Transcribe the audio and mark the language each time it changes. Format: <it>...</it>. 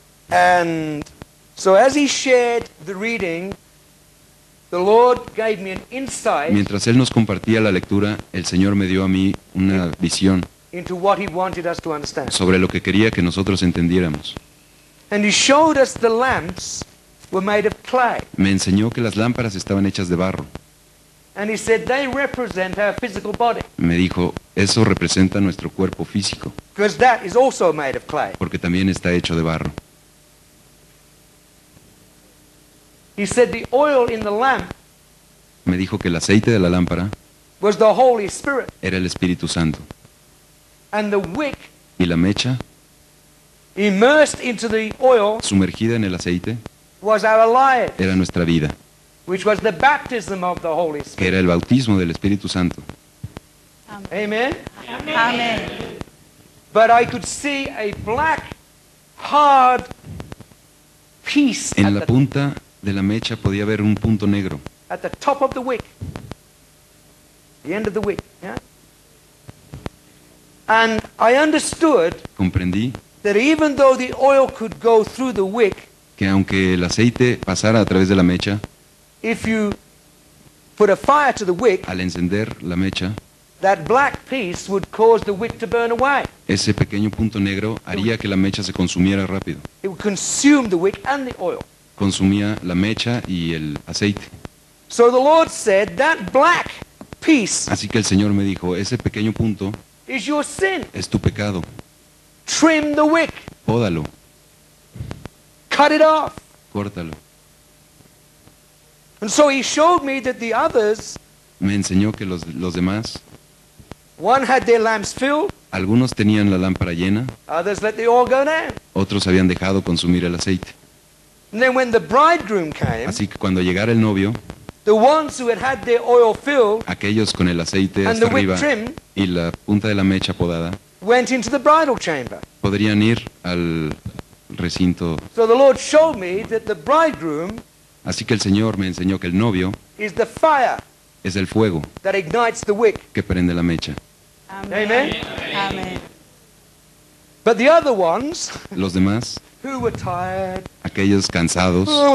<en>And so as he shared the reading, the Lord gave me an insight.</en> <es>Mientras él nos compartía la lectura, el Señor me dio a mí una visión</es> <en>into what he wanted us to understand.</en> <es>Sobre lo que quería que nosotros entendiéramos.</es> <en>And he showed us the lamps were made of clay.</en> <es>Me enseñó que las lámparas estaban hechas de barro.</es> <en>And he said they represent our physical body.</en> <es>Me dijo, eso representa nuestro cuerpo físico.</es> <en>Because that is also made of clay.</en> <es>Porque también está hecho de barro.</es> <en>He said the oil in the lamp.</en> <es>Me dijo que el aceite de la lámpara</es> <en>was the Holy Spirit.</en> <es>Era el Espíritu Santo.</es> <en>And the wick.</en> <es>Y la mecha.</es> <en>Immersed into the oil.</en> <es>Sumergida en el aceite.</es> <en>Was our life.</en> <es>Era nuestra vida.</es> <en>Which was the baptism of the Holy Spirit.</en> <es>Que era el bautismo del Espíritu Santo.</es> <en>Amen.</en> <es>Amen. Amen.</es> <en>But I could see a black, hard piece.</en> <es>En la punta de la mecha podía ver un punto negro.</es> <en>At the top of the wick. The end of the wick. Yeah? And I understood.</en> <es>Comprendí.</es> <en>That even though the oil could go through the wick.</en> <es>Que aunque el aceite pasara a través de la mecha.</es> <en>If you put a fire to the wick,</en> <es>al encender la mecha,</es> <en>that black piece would cause the wick to burn away.</en> <es>Ese pequeño punto negro haría que la mecha se consumiera rápido.</es> <en>It would consume the wick and the oil.</en> <es>Consumía la mecha y el aceite.</es> <en>So the Lord said that black piece.</en> <es>Así que el Señor me dijo, ese pequeño punto</es> <en>is your sin.</en> <es>Es tu pecado.</es> <en>Trim the wick.</en> <es>Pódalo.</es> <en>Cut it off.</en> <es>Córtalo.</es> <en>And so he showed me that the others,</en> <es>me enseñó que los demás,</es> <en>one had their lamps filled,</en> <es>algunos tenían la lámpara llena,</es> <en>others let the oil go down,</en> <es>otros habían dejado consumir el aceite.</es> <en>And then when the bridegroom came,</en> <es>así que cuando llegara el novio,</es> <en>the ones who had their oil filled,</en> <es>aquellos con el aceite</es> <en>and</en> <es>hasta</es> <en>the</en> <es>arriba,</es> <en>wick trimmed,</en> <es>y la punta de la mecha podada,</es> <en>went into the bridal chamber,</en> <es>podrían ir al recinto.</es> <en>So the Lord showed me that the bridegroom,</en> <es>así que el Señor me enseñó que el novio</es> <en>is the fire,</en> <es>es el fuego</es> <en>that ignites the wick,</en> <es>que prende la mecha.</es> <en>Amen.</en> <es>Amen. Amen.</es> <en>But the other ones,</en> <es>los demás,</es> <en>who were tired,</en> <es>aquellos cansados,</es>